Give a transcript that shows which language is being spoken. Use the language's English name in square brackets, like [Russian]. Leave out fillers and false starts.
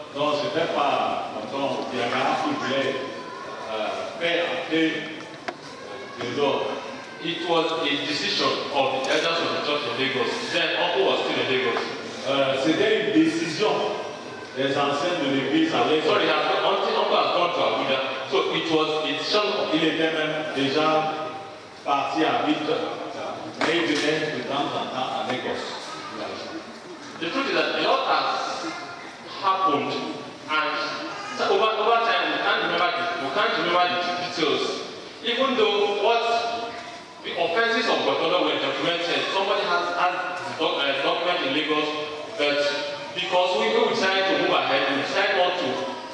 [French] Non, ce n'était pas Tonton Diagara qui voulait faire appeler Theodore. [English] It was a decision of the elders of the church in Lagos. Then Uncle was still in Lagos. [French] C'était une décision des anciens de l'église à Lagos. [English] Sorry, Uncle has gone to Abuja. So it was a decision. [French] Il était même déjà parti à Abuja. Mais il venait de temps en temps à Lagos. [English] The truth is that a lot has happened, and over time we can't remember the details. Even though what the offences of Godola were documented, somebody has a document in Lagos, but because we decided to move ahead, we decided not to